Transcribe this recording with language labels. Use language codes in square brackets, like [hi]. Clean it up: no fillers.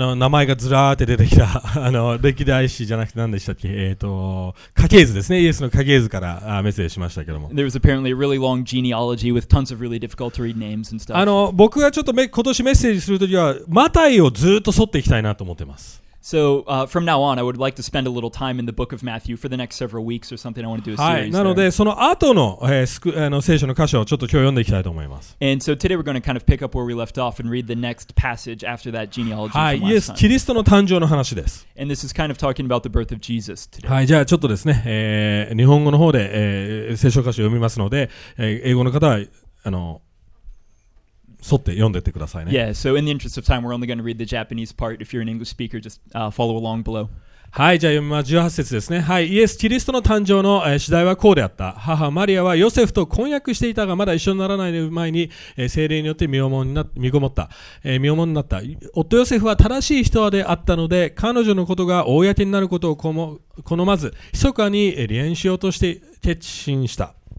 [ja] 名前がずらーって出てきた、歴代史じゃなくて何でしたっけ、家系図ですね、イエスの家系図からメッセージしましたけども。 [en] There was apparently a really long genealogy with tons of really difficult to read names and stuff. [ja] 僕がちょっと今年メッセージするときは、マタイをずっと沿っていきたいなと思ってます。 [en] So, from now on, I would like to spend a little time in the book of Matthew for the next several weeks or something. I want to do a series. [ja] なので、その後の、聖書の箇所をちょっと今日読んでいきたいと思います。 [en] And so today we're going to kind of pick up where we left off and read the next passage after that genealogy. [ja] はい、イエス、キリストの誕生の話です。 [en] And this is kind of talking about the birth of Jesus today. [ja] はい、じゃあちょっとですね、日本語の方で、聖書箇所を読みますので、英語の方は、沿って読んでってくださいね。 [en] Yeah, so in the interest of time, we're only going to read the Japanese part. If you're an English speaker, just follow along below. [ja] はい、じゃあ今18節ですね。はい、イエス・キリストの誕生の、次第はこうであった。母マリアはヨセフと婚約していたが、まだ一緒にならない前に、聖霊によって身ごもった。夫ヨセフは正しい人であったので、彼女のことが公になることを好まず、密かに離縁しようとして決心した。